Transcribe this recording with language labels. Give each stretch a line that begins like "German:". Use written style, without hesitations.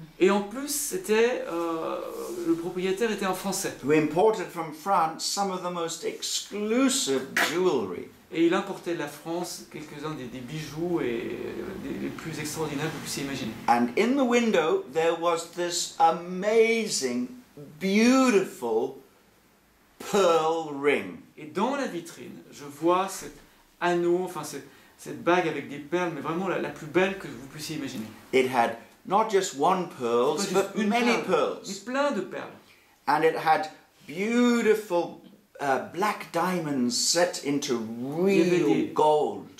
French: Et en plus, c'était le propriétaire était un Français.
English: Who imported from France some of the most exclusive jewelry.
French: Et il importait de la France quelques-uns des bijoux et les plus extraordinaires que vous puissiez imaginer.
English: And in the window, there was this amazing, beautiful pearl ring.
French: Et dans la vitrine, je vois cet anneau, enfin ce cette bague avec des perles, mais vraiment la plus belle que vous puissiez imaginer.
English: It had not just one pearl, but many pearls.
French: Mais plein de perles.
English: And it had beautiful black diamonds set into real gold.